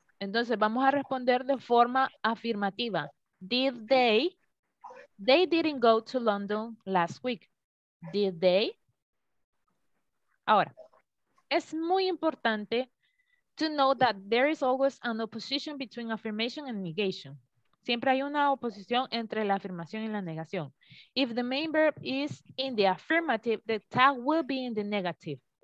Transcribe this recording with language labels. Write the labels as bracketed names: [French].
[Spanish] Entonces vamos a responder de forma afirmativa. [English] Did they? They didn't go to London last week. Did they? [Spanish] Ahora, es muy importante [English] to know that there is always an opposition between affirmation and negation. [Spanish] Siempre hay una oposición entre la afirmación y la negación. [English] If the main verb is in the affirmative, the tag will be in the negative.